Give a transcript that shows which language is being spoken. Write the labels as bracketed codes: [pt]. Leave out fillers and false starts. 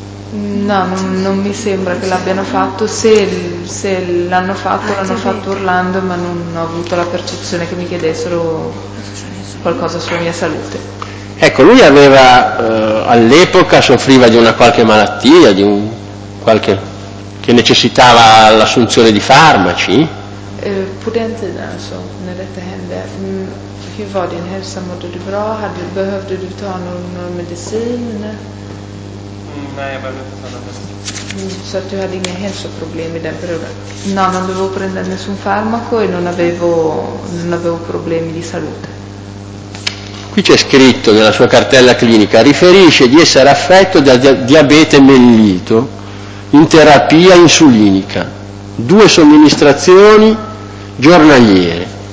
[it] No, non mi sembra che l'abbiano fatto. Se l'hanno fatto, l'hanno fatto urlando, ma non ho avuto la percezione che mi chiedessero qualcosa sulla mia salute. Ecco, lui aveva all'epoca soffriva di una qualche malattia, di un qualche che necessitava l'assunzione di farmaci. Pudente adesso nelle tende. [sv] Hur var din hälsa? Mådde du bra? Behövde du ta någon medicin? Nej, jag behöver inte ta någon medicin. Så att du hade inga hälsoproblem i den perioden? [it] No, non dovevo prendere nessun farmaco e non avevo problemi di salute. Qui c'è scritto nella sua cartella clinica, riferisce di essere affetto da diabete mellito in terapia insulinica. Due somministrazioni giornaliere.